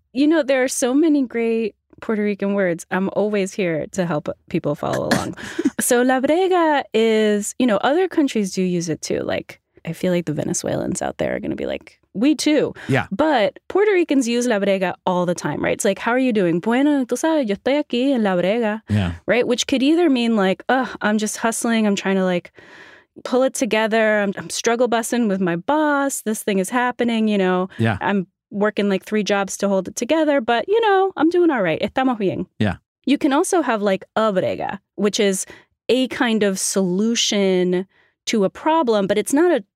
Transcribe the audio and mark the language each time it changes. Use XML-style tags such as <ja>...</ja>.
<en>You know, there are so many great Puerto Rican words. I'm always here to help people follow along. So La Brega is, you know, other countries do use it too. Like, I feel like the Venezuelans out there are going to be like, we too. Yeah. But Puerto Ricans use La Brega all the time, right? It's like, how are you doing?</en> <es>Bueno, tú sabes, yo estoy aquí en La Brega.</es> <en>Yeah. Right? Which could either mean like, oh, I'm just hustling. I'm trying to like pull it together. I'm struggle bussing with my boss. This thing is happening, you know. Yeah. I'm working like 3 jobs to hold it together, but you know, I'm doing all right.</en> <es>Estamos bien.</es> <en>Yeah. You can also have like a brega, which is a kind of solution to a problem, but it's not a</en>